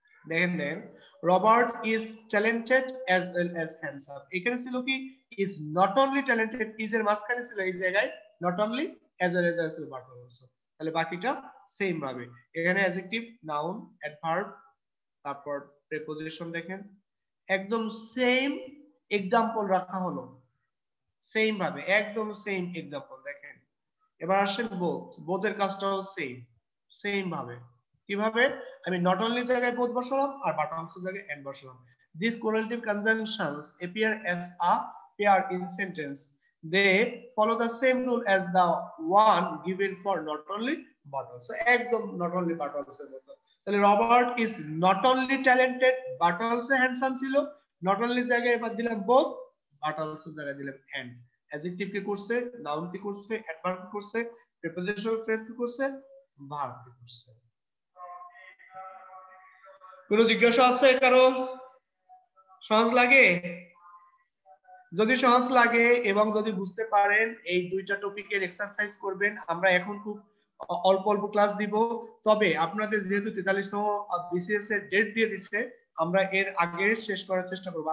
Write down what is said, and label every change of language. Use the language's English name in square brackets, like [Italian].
[Bangla] দেখেন দেন, [English] Robert is talented as well as handsome, [Bangla] এখানে ছিল কি, is not only talented, is এর মাঝখানে ছিল এই জায়গায় not only as well as ছিল but also, তাহলে বাকিটা সেম ভাবে, এখানে adjective noun adverb তারপর preposition, দেখেন একদম সেম এক্সাম্পল রাখা হলো, সেম ভাবে একদম সেম এক্সাম্পল। দেখেন এবার আসেন both, both এর কাজটাও সেম, সেম ভাবে, কিভাবে, আমি not only জায়গায় both বসালাম আর but also জায়গায় and বসালাম। [English] These correlative conjunctions appear as a pair in sentence, they follow the same rule as the one given for not only but also, [Bangla] একদম not only but also মত। তাহলে [English] Robert is not only talented but also handsome [Bangla] ছিল, not only জায়গায় এবার দিলাম both but also জায়গায় দিলাম and, adjective কি করছে, noun কি করছে, adverb কি করছে, prepositional phrase কি করছে, verb কি করছে। কোনো জিজ্ঞাসা আছে কারো, সহজ লাগে, যদি সহজ লাগে এবং যদি বুঝতে পারেন এই দুইটা টপিকের এক্সারসাইজ করবেন, আমরা এখন খুব অল্প অল্প ক্লাস দিব, তবে আপনাদের যেহেতু 43তম বিসিএস এর ডেট দিয়ে দিচ্ছে, আমরা এর আগে শেষ করার চেষ্টা করব।